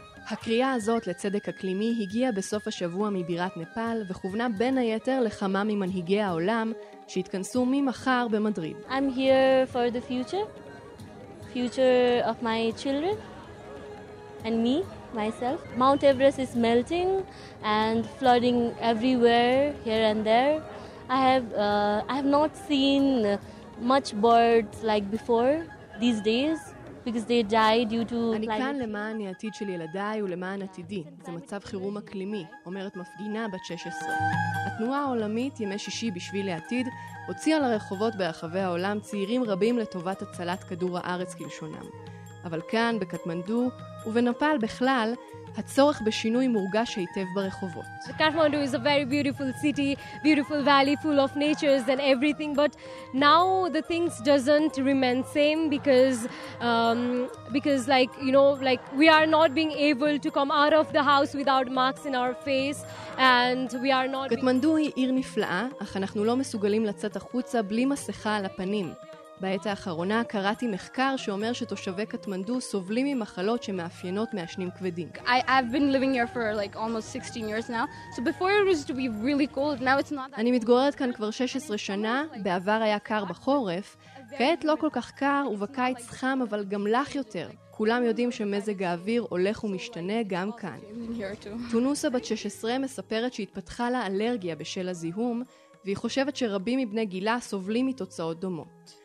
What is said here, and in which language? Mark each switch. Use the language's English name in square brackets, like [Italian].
[Hebrew] הקריאה הזאת לצדק אקלימי הגיעה בסוף השבוע מבירת נפאל וכוונה בין היתר לכמה ממנהיגי העולם שיתכנסו ממחר במדריד. [English] I'm here for the future. Future of my children and me, myself. Mount Everest is melting and flooding everywhere here and there. I have not seen much birds like before these days. Because they die due to climate. [Hebrew] אני כאן למען העתיד של ילדיי ולמען עתידי. זה מצב חירום אקלימי, אומרת מפגינה בת 16. התנועה העולמית ימי שישי בשביל העתיד הוציאה לרחובות ברחבי העולם צעירים רבים לטובת הצלת כדור הארץ כלשונם. אבל כאן, בקטמנדו ובנפל בכלל, הצורך בשינוי מורגש היטב ברחובות. [English] Kathmandu is a very beautiful city, beautiful valley full of nature and everything, but now the things doesn't remain same because like you know like we are not being able to come out of the house without masks in our face and we are not [Hebrew] Kathmandu היא עיר נפלאה, אך אנחנו לא מסוגלים לצאת החוצה בלי מסכה על הפנים. בעת האחרונה קראתי מחקר שאומר שתושבי קטמנדו סובלים ממחלות שמאפיינות מעשנים כבדים. [English] I've been living here for like almost 16 years now. So before it was to be really cold, now it's not that. [Hebrew] אני מתגוררת כאן כבר 16 שנה, בעבר היה קר בחורף, כעת לא כל כך קר ובקיץ חם אבל גם לח יותר. כולם יודעים שמזג האוויר הולך ומשתנה גם כאן. תונוסה בת 16 מספרת שהתפתחה לה אלרגיה בשל הזיהום, והיא חושבת שרבים מבני גילה סובלים מתוצאות דומות.